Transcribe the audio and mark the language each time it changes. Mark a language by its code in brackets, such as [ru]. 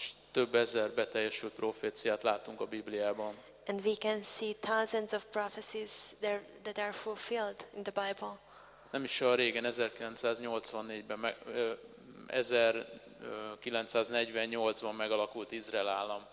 [hu] Több ezer beteljesült proféciát látunk a Bibliában. [en] And we can see thousands of prophecies that are fulfilled in the Bible. [hu] Nem is olyan régen, 1984-ben, 1948-ban megalakult Izrael állam.